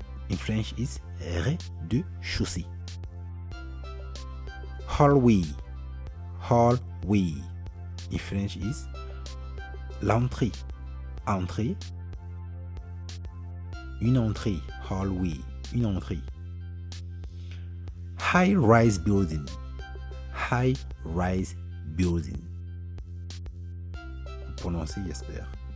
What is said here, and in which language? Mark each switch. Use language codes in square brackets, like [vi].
[en] In French is rez-de-chaussée. Hallway. Hallway. In French is l'entrée. Entrée. [fr] une entrée, hallway, une entrée. [en] High-rise building, high-rise building. [fr] Vous prononcez, j'espère.